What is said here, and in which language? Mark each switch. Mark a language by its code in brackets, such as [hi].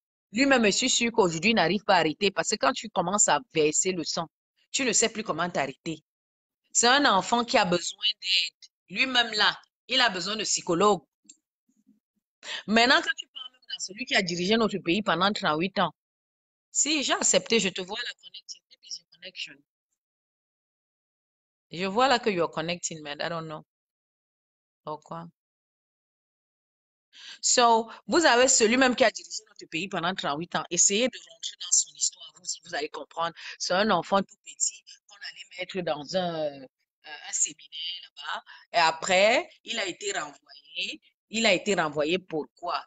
[fr] Lui-même, je suis sûr qu'aujourd'hui, il n'arrive pas à arrêter parce que quand tu commences à verser le sang, tu ne sais plus comment t'arrêter. C'est un enfant qui a besoin d'aide. Lui-même, là, il a besoin de psychologue. Maintenant, quand tu parles même dans celui qui a dirigé notre pays pendant 38 ans, si j'ai accepté, je te vois la connexion. Je vois là que [en] you are connecting, man. I don't know. [fr] Pourquoi? So, vous avez celui-même qui a dirigé notre pays pendant 38 ans. Essayez de rentrer dans son histoire, vous, si vous allez comprendre. C'est un enfant tout petit qu'on allait mettre dans un séminaire là-bas. Et après, il a été renvoyé. Il a été renvoyé pourquoi?